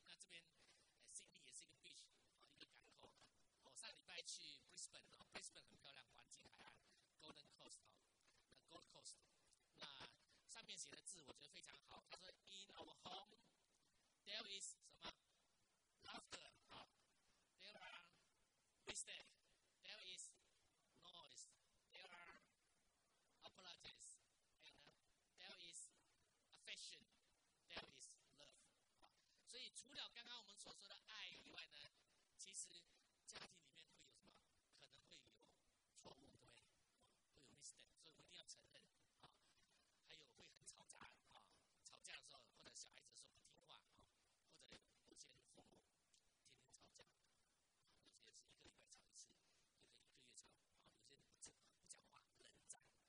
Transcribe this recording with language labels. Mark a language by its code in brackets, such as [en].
[zh] 那这边Sydney 也是一个 beach 啊，一个港口。我上礼拜去 Brisbane 啊 ，Brisbane 很漂亮，环境海岸 Golden Coast 啊 ，Gold Coast。那上面写的字我觉得非常好，他说 [en] In our home there is 什么 laughter 啊 ，there are mistakes， there is noise， there are apologies， there is affection， there is love。 [zh] 所以除了刚刚我们所说的爱以外呢，其实家庭里面会有什么？可能会有错误，对不对？会有 mistake， 所以我们一定要承认。还有会很吵杂，吵架的时候，或者小孩子说不听话，或者有些父母天天吵架，有些是一个礼拜吵一次，有些一个月吵，有些不讲话，冷战。